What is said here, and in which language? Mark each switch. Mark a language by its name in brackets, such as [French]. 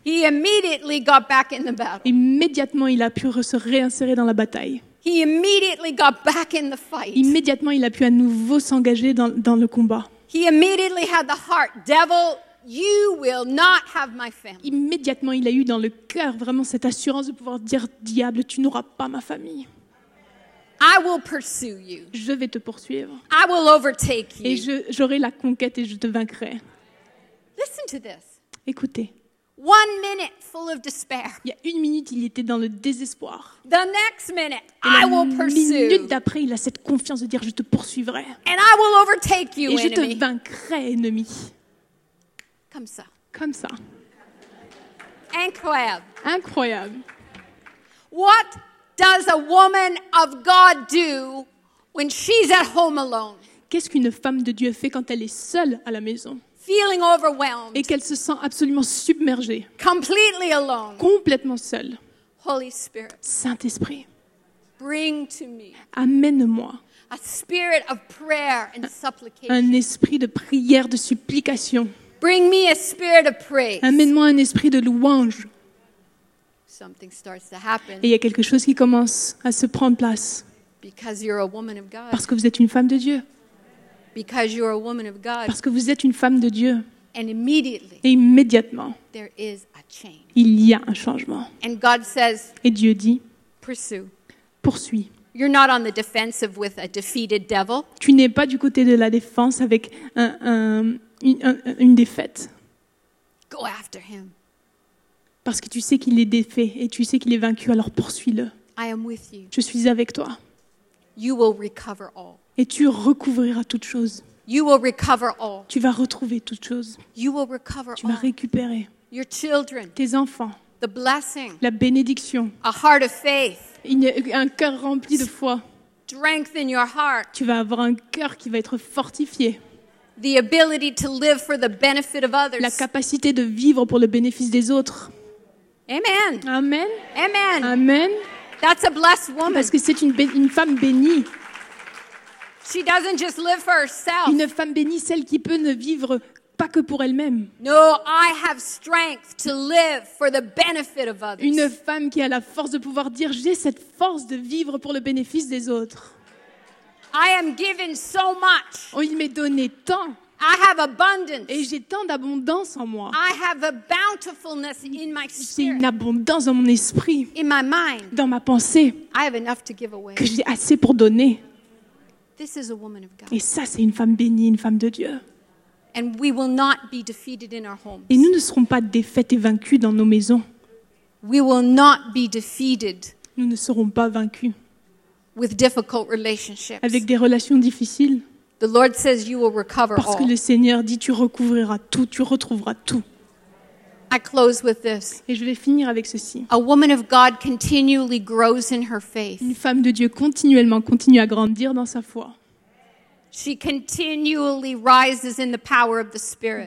[English] He immediately got back in the battle. [French] Immédiatement, il a pu se réinsérer dans la bataille. [English] He immediately got back in the fight. [French] Immédiatement, il a pu à nouveau s'engager dans le combat. [English] He immediately had the heart, devil, you will not have my family. [French] Immédiatement, il a eu dans le cœur vraiment cette assurance de pouvoir dire, diable, tu n'auras pas ma famille. [English] I will pursue you. [French] Je vais te poursuivre. [English] I will overtake you. [French] Et j'aurai la conquête et je te vaincrai. [English] Listen to this. [French] Écoutez. [English] One minute full of despair. [French] Il y a une minute, il était dans le désespoir. [English] The next minute, I will pursue. [French] Et la minute d'après, il a cette confiance de dire, je te poursuivrai. [English] And I will overtake you, enemy. [French] Et je te vaincrai, ennemi. Comme ça. Comme ça. Incroyable. Incroyable. [English] What does a woman of God do when she's at home alone? [French] Qu'est-ce qu'une femme de Dieu fait quand elle est seule à la maison? [English] Feeling overwhelmed. [French] Et qu'elle se sent absolument submergée. [English] Completely alone. [French] Complètement seule. [English] Holy Spirit. [French] Saint-Esprit. [English] Bring to me. [French] Amène-moi. [English] A spirit of prayer and supplication. [French] Un esprit de prière, de supplication. [English] Bring me a spirit of praise. [French] Amène-moi un esprit de louange. [English] Something starts to happen. [French] Et il y a quelque chose qui commence à se prendre place. [English] Because you're a woman of God. [French] Parce que vous êtes une femme de Dieu. [English] Because you're a woman of God. [French] Parce que vous êtes une femme de Dieu. [English] And immediately, [French] et immédiatement, [English] there is a change. [French] Il y a un changement. [English] And God says, [French] et Dieu dit, [English] pursue. [French] Poursuis. [English] You're not on the defensive with a defeated devil. [French] Tu n'es pas du côté de la défense avec une défaite. [English] Go after him. [French] Parce que tu sais qu'il est défait et tu sais qu'il est vaincu, alors poursuis-le. [English] I am with you. [French] Je suis avec toi. [English] You will recover all. [French] Et tu recouvriras toute chose. [English] You will recover all. [French] Tu vas retrouver toute chose. [English] You will recover [French] tu vas [English] all. [French] Récupérer [English] your children. [French] Tes enfants. [English] The blessing. [French] La bénédiction. [English] A heart of faith. [French] Un cœur rempli de foi. [English] Strengthen your heart. [French] Tu vas avoir un cœur qui va être fortifié. [English] The ability to live for the benefit of others. [French] La capacité de vivre pour le bénéfice des autres. Amen. Amen. Amen. Amen. [English] That's a blessed woman. [French] Parce que c'est une femme bénie. [English] She doesn't just live for herself. [French] Une femme bénie, celle qui peut ne vivre pas que pour elle-même. [English] No, I have strength to live for the benefit of others. [French] Une femme qui a la force de pouvoir dire, j'ai cette force de vivre pour le bénéfice des autres. [English] I am given so much. [French] Oh, il m'est donné tant. [English] I have abundance. [French] Et j'ai tant d'abondance en moi. [English] I have a bountifulness in my spirit. [French] J'ai une abondance dans mon esprit. [English] In my mind. [French] Dans ma pensée. [English] I have enough to give away. [French] Que j'ai assez pour donner. [English] This is a woman of God. [French] Et ça, c'est une femme bénie, une femme de Dieu. [English] And we will not be defeated in our homes. [French] Et nous ne serons pas défaites et vaincues dans nos maisons. [English] We will not be defeated. [French] Nous ne serons pas vaincus. [English] With difficult relationships. [French] Avec des relations difficiles. [English] The Lord says you will recover [French] all. Parce que le Seigneur dit tu recouvriras tout, tu retrouveras tout. [English] I close with this. [French] Et je vais finir avec ceci. [English] A woman of God continually grows in her faith. [French] Une femme de Dieu continuellement continue à grandir dans sa foi. [English] She continually rises in the power of the Spirit.